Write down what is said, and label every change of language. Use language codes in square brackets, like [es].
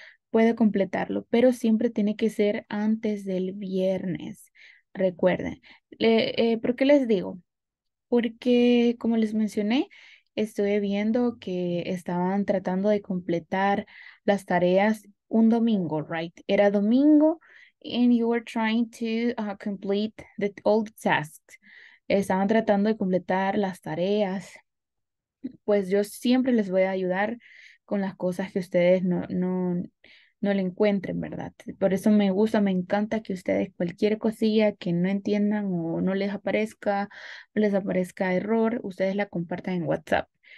[es] Puede completarlo, pero siempre tiene que ser antes del viernes. Recuerden. ¿Por qué les digo? Porque, como les mencioné, estuve viendo que estaban tratando de completar las tareas un domingo, right? Era domingo [en] and you were trying to complete the old tasks. [es] Estaban tratando de completar las tareas. Pues yo siempre les voy a ayudar con las cosas que ustedes no le encuentren, ¿verdad? Por eso me gusta, me encanta que ustedes cualquier cosilla que no entiendan o no les aparezca, les aparezca error, ustedes la compartan en WhatsApp.